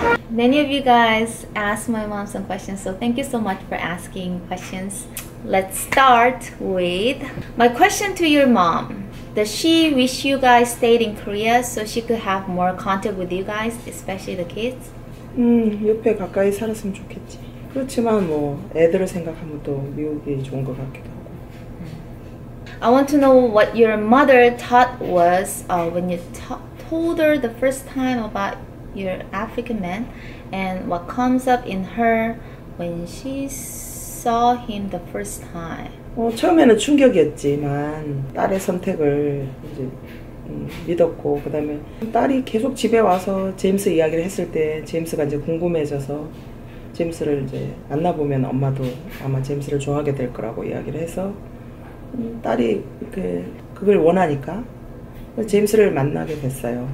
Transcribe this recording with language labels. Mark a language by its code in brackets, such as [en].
[en] Many of you guys asked my mom some questions, so thank you so much for asking questions. Let's start with my question to your mom. Does she wish you guys stayed in Korea so she could have more contact with you guys, especially the kids? [ko] 옆에 가까이 살았으면 좋겠지. 그렇지만 뭐 애들을 생각하면 또 미국이 좋은 것 같기도 하고. [en] I want to know what your mother thought was when you told her the first time about your African man, and what comes up in her when she saw him the first time. [ko] 처음에는 충격이었지만 딸의 선택을 이제 믿었고 그다음에 딸이 계속 집에 와서 제임스 이야기를 했을 때 제임스가 이제 궁금해져서 제임스를 이제 만나 보면 엄마도 아마 제임스를 좋아하게 될 거라고 이야기를 해서 딸이 그걸 원하니까 제임스를 만나게 됐어요.